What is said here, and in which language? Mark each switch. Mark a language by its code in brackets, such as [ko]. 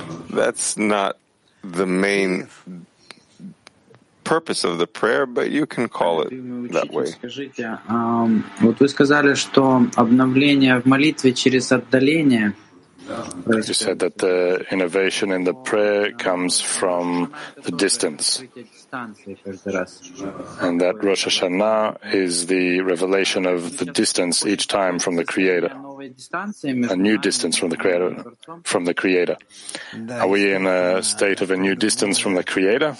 [en] That's not the main purpose of the prayer, but you can call it that way. [ru] Вот вы сказали, что обновление в молитве через отдаление. [en] You said that the innovation in the prayer comes from the distance. And that Rosh Hashanah is the revelation of the distance each time from the Creator. a new distance from the Creator. Are we in a state of a new distance from the Creator?